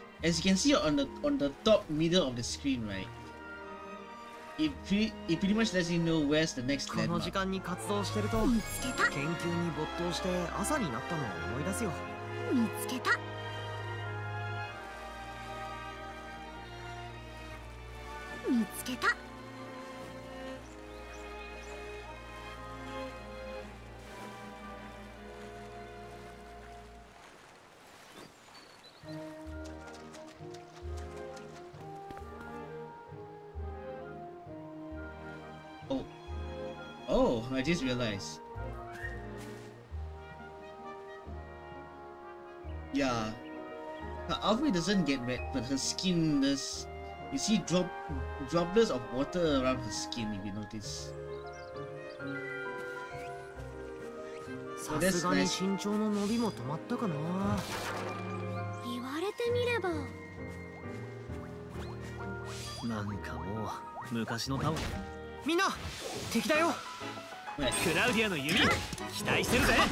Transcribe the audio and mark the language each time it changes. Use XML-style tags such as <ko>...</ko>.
<en>As you can see on the top middle of the screen, right? It pretty much lets you know where's the next landmark.</en> <ja>この時間に活動してると、見つけた。研究に没頭して朝になったのを思い出すよ。見つけた。見つけた。</ja> <en>I just realized. Yeah. Her outfit doesn't get wet, but her skin does. You see droplets of water around her skin, if you notice. So that's nice.</en> <ja>さすがに身長の伸びも止まったかな。言われてみれば。なんかもう昔のタオル。みんな敵だよ。クラウディアの弓、期待してるぜ。</ja>